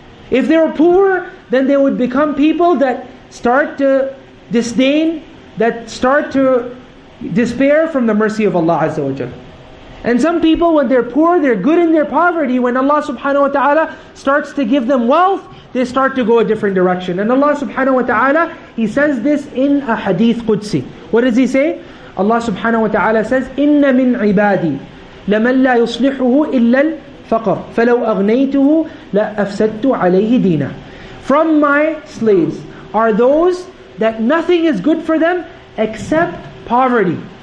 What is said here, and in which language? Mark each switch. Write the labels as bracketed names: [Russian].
[English] If they're poor, then they would become people that start to disdain, that start to despair from the mercy of Allah Azza wa Jalla. And some people, when they're poor, they're good in their poverty. When Allah subhanahu wa ta'ala starts to give them wealth, they start to go a different direction. And Allah subhanahu wa ta'ala, He says this in a hadith Qudsi. What does He say? [Arabic] Allah subhanahu wa ta'ala says, إِنَّ مِنْ عِبَادِي لَمَنْ لَا يُصْلِحُهُ إِلَّا الْفَقَرْ فَلَوْ أَغْنَيْتُهُ لَأَفْسَدْتُ عَلَيْهِ دِينَهُ. [English] From my slaves are those that nothing is good for them except poverty.